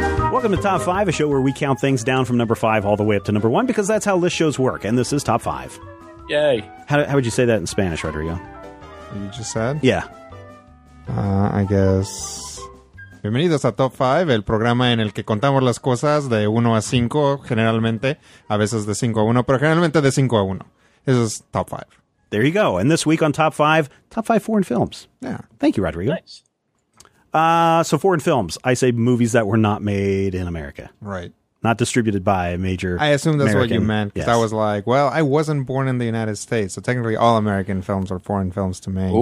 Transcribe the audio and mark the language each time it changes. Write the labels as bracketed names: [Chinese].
[English] Welcome to Top 5, a show where we count things down from number 5 all the way up to number 1, because that's how list shows work, and this is Top 5. Yay. How would you say that in Spanish, Rodrigo? You just said? Yeah. I guess... [Spanish] Bienvenidos a Top 5, el programa en el que contamos las cosas de 1 a 5, generalmente, a veces de 5 a 1, pero generalmente de 5 a 1. [English] This is Top 5. There you go. And this week on Top 5, Top 5 foreign films. Yeah. Thank you, Rodrigo. Nice. So foreign films, I say movies that were not made in America. Right. Not distributed by a major I assume that's American. What you meant, because yes. I was like, well, I wasn't born in the United States, so technically all American films are foreign films to me.